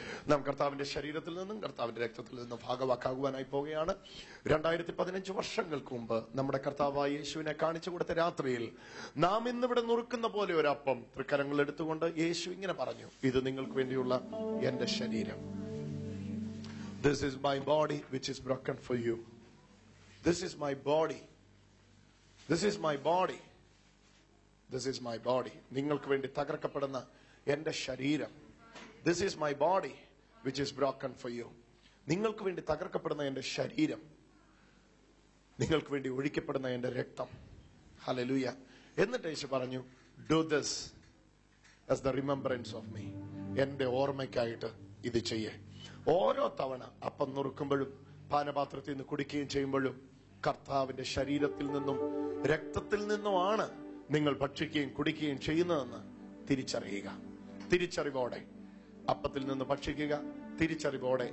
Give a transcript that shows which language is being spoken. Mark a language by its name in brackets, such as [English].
[Malayalam] നാം കർത്താവിന്റെ ശരീരത്തിൽ നിന്നും കർത്താവിന്റെ രക്തത്തിൽ നിന്നും ഭാഗവാക്കാകുവാനായി പോവുകയാണ്. 2015 വർഷങ്ങൾക്ക് മുമ്പ് നമ്മുടെ കർത്താവായ യേശുവിനെ കാണിച്ചു കൊടുത്ത രാത്രിയിൽ നാം ഇന്നിവിടെ നുറുക്കുന്ന പോലെ ഒരപ്പം തൃക്കരങ്ങൾ എടുത്തുകൊണ്ട് യേശു ഇങ്ങനെ പറഞ്ഞു, ഇത് നിങ്ങൾക്ക് വേണ്ടിയുള്ള എന്റെ ശരീരം. [English] This is my body which is broken for you. This is my body. This is my body This is my body. [Malayalam] നിങ്ങൾക്ക് വേണ്ടി തകർക്കപ്പെടുന്ന എന്റെ ശരീരം. [English] This is my body which is broken for you. [Malayalam] നിങ്ങൾക്ക് വേണ്ടി തകർക്കപ്പെടുന്ന എന്റെ ശരീരം. നിങ്ങൾക്ക് വേണ്ടി ഒഴിക്കപ്പെടുന്ന എന്റെ രക്തം. ഹല്ലേലൂയ. എന്നിട്ട് യേശു പറഞ്ഞു, [English] Do this as the remembrance of me. [Malayalam] എന്റെ ഓർമ്മയ്ക്കായിട്ട് ഇത് ചെയ്യേ. ഓരോ തവണ അപ്പം നുറുക്കുമ്പോഴും പാനപാത്രത്തിൽ നിന്ന് കുടിക്കുകയും ചെയ്യുമ്പോഴും കർത്താവിന്റെ ശരീരത്തിൽ നിന്നും രക്തത്തിൽ നിന്നുമാണ് നിങ്ങൾ ഭക്ഷിക്കുകയും കുടിക്കുകയും ചെയ്യുന്നതെന്ന് തിരിച്ചറിയുക. തിരിച്ചറിവോടെ അപ്പത്തിൽ നിന്ന് ഭക്ഷിക്കുക. തിരിച്ചറിവോടെ